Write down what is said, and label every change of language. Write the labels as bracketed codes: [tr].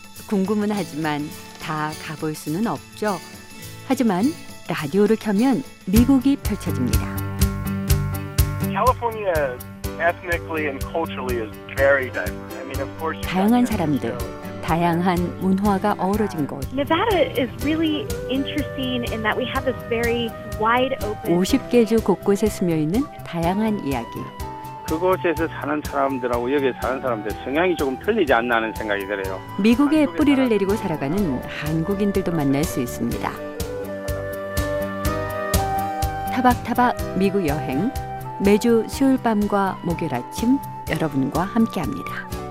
[ko] 궁금은 하지만 다 가볼 수는 없죠. 하지만 라디오를 켜면 미국이 펼쳐집니다. [en] California ethnically and culturally is very diverse. I mean, of course, [ko] 다양한 사람들, 다양한 문화가 어우러진 곳. [en] Nevada is really interesting in that we have this very wide open. [ko] 50개 주 곳곳에 숨어 있는 다양한 이야기. 그곳에서 사는 사람들하고 여기에 사는 사람들 성향이 조금 틀리지 않나 하는 생각이 들어요. 미국의 뿌리를 내리고 살아가는 한국인들도 만날 수 있습니다. 타박타박 미국 여행, 매주 수요일 밤과 목요일 아침 여러분과 함께합니다.